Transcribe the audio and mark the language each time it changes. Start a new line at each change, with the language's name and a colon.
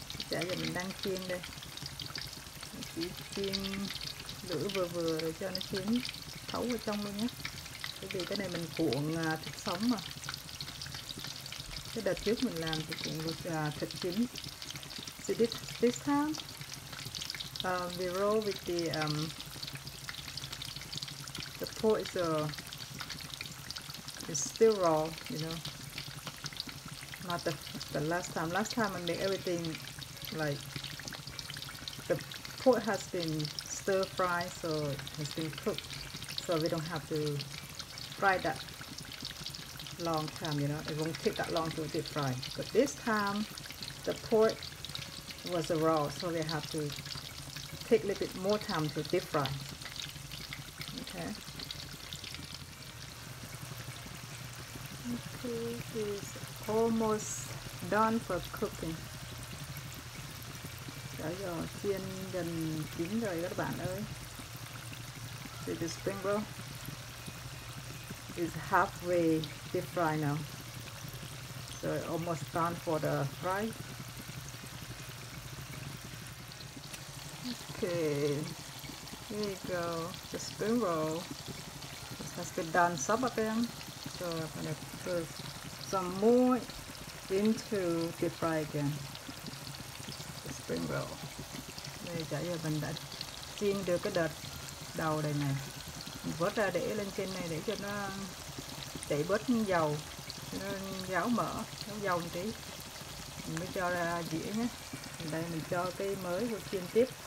Vietnamese: Chả giờ mình đang chiên đây. Chỉ chiên lửa vừa vừa để cho nó chín thấu vào trong luôn nhé. Bởi vì cái này mình cuộn thịt sống mà. Cái đợt trước mình làm thì cuộn được thịt chín.
English: So this time we roll with the the pork is still raw, you know. Not the last time. Last time I made everything like the pork has been stir fried, so it has been cooked. So we don't have to fry that long time, you know. It won't take that long to deep fry. But this time the pork was raw, so we have to take a little bit more time to deep fry. Okay. It is almost done for cooking.
Vietnamese: Chả giò chiên gần chín rồi các bạn ơi.
English: So the spring roll is halfway deep fry now. So almost done for the fry. Okay, here you go. The spring roll has been done, some of them. So I'm gonna put some more into deep fry again. The spring roll.
Vietnamese: Đây chả giờ mình đã chiên được cái đợt đầu đây này. Mình vớt ra để lên trên này để cho nó chảy bớt dầu, nó ráo mỡ, ráo dầu một tí. Mình mới cho ra dĩa nhé. Đây mình cho cái mới vô chiên tiếp.